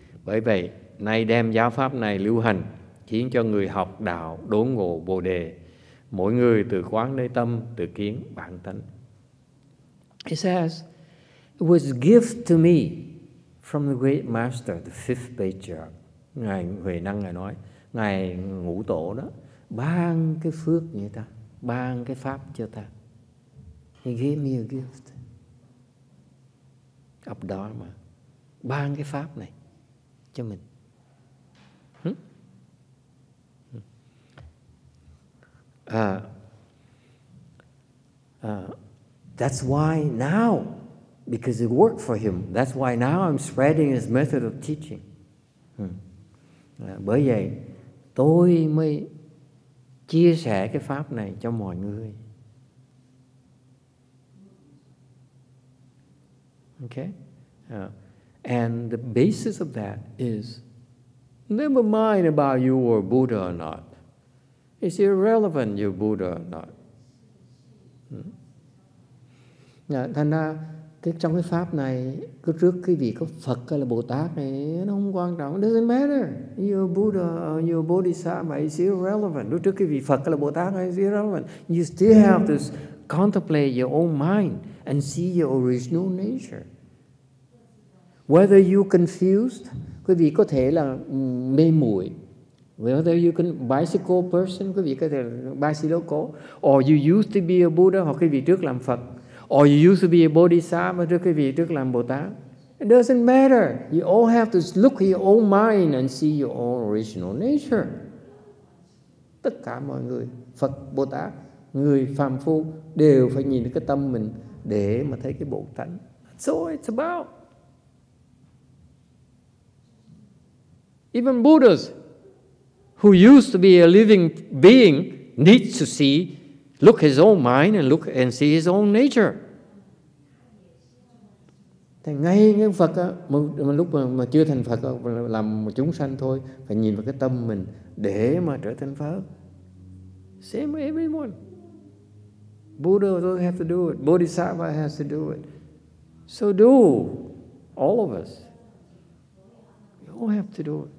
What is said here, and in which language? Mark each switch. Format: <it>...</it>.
<vi>Bởi vậy, nay đem giáo pháp này lưu hành, khiến cho người học đạo đốn ngộ Bồ đề, mỗi người tự quán nơi tâm, tự kiến bản tánh.</vi> <en>He says, it was a gift to me from the great master, the fifth patriarch.</en> <vi>Ngài Huệ Năng, ngài nói, ngài Ngũ Tổ đó ban cái phước như ta, ban cái pháp cho ta.</vi> <en>He gave me a gift of Dharma,</en> <vi>ban cái pháp này cho mình.</vi> <en>That's why now, because it worked for him, that's why now I'm spreading his method of teaching.</en> <vi>Bởi vậy tôi mới chia sẻ cái pháp này cho mọi người.</vi> <en>Okay. And the basis of that is never mind about you or Buddha or not. It's irrelevant you're Buddha or not.</en> <vi>Thành ra trong cái pháp này, cứ trước cái vị có Phật hay là Bồ Tát này, nó không quan trọng.</vi> <en>It doesn't matter. You're Buddha, you're Bodhisattva, it's irrelevant.</en> <vi>Đối trước cái vị Phật hay là Bồ Tát này,</vi> <en>it's irrelevant. You still have to contemplate your own mind and see your original nature. Whether you're confused,</en> <vi>quý vị có thể là mê muội.</vi> <en>Whether you can bicycle person,</en> <vi>quý vị có thể là bicycle cổ.</vi> <en>Or you used to be a Buddha,</en> <vi>hoặc cái vị trước làm Phật.</vi> <en>Or you used to be a Bodhisattva,</en> <vi>trước cái vị trước làm Bồ Tát.</vi> <en>It doesn't matter. You all have to look at your own mind and see your own original nature.</en> <vi>Tất cả mọi người, Phật, Bồ Tát, người phàm phu, đều phải nhìn cái tâm mình để mà thấy cái bổn tánh.</vi> <en>That's all it's about. Even Buddhas, who used to be a living being, need to see, look his own mind and look and see his own nature.</en> <vi>Thì ngay cái Phật á, mà lúc mà chưa thành Phật làm một chúng sanh thôi, phải nhìn vào cái tâm mình để mà trở thành Phật.</vi> <en>Same with everyone. Buddha will have to do it. Bodhisattva has to do it. So do all of us. You all have to do it.</en>